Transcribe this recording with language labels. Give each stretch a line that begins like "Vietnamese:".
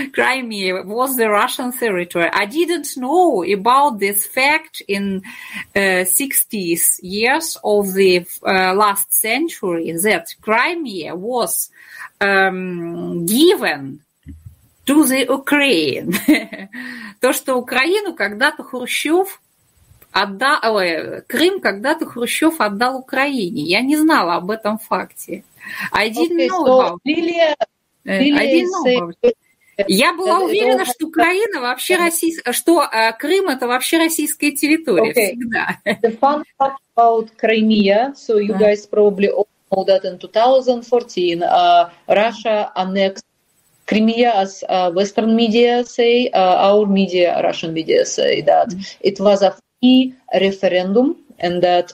English: Crimea was the Russian territory. I didn't know about this fact in 60s years of the last century that Crimea was given to the Ukraine.
Russian: То, что Украину когда-то Хрущев отдал, Крым когда-то Хрущев отдал Украине. Я не знала об этом факте.
English: I didn't know about it.
Russian: Я была уверена, что Украина вообще российская, что Крым это вообще российская территория всегда.
English: The fun fact about Crimea, so you guys probably all know that in 2014 Russia annexed Crimea, as Western media say, our media, Russian media say that it was a free referendum and that